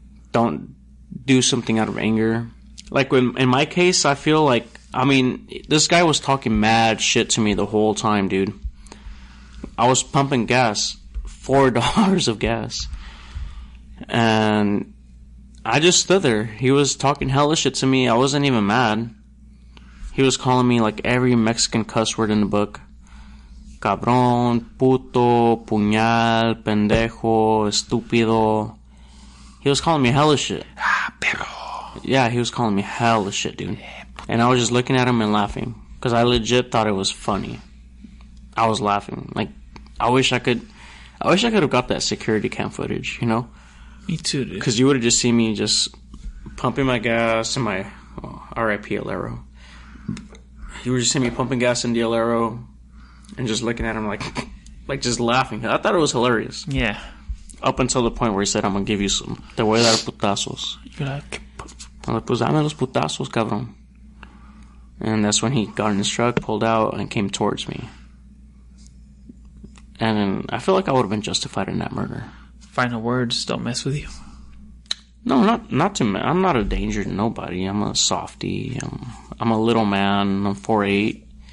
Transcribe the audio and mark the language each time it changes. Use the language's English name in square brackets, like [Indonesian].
[English] Don't do something out of anger. Like, in my case, I feel like, I mean, this guy was talking mad shit to me the whole time, dude. I was pumping gas, $4 of gas. And I just stood there. He was talking hella shit to me. I wasn't even mad. He was calling me, like, every Mexican cuss word in the book. [Spanish] Cabrón, puto, puñal, pendejo, estúpido. [English] He was calling me hella shit. [Spanish] Ah, perro. [English] Yeah, he was calling me hella shit, dude. And I was just looking at him and laughing. Because I legit thought it was funny. I was laughing. Like, I wish I could have got that security cam footage, you know? Me too, dude. Because you would have just seen me just pumping my gas in my RIP Alero. You would just see me pumping gas in the Alero and just looking at him like just laughing. I thought it was hilarious. Yeah. Up until the point where he said, I'm going to give you some. [Spanish] Te voy a dar putazos. You're like, pues dame los putazos, cabrón. [English] And that's when he got in his truck, pulled out, and came towards me. And I feel like I would have been justified in that murder. Final words, don't mess with you. No, not to me. I'm not a danger to nobody. I'm a softy. I'm a little man. I'm 4'8".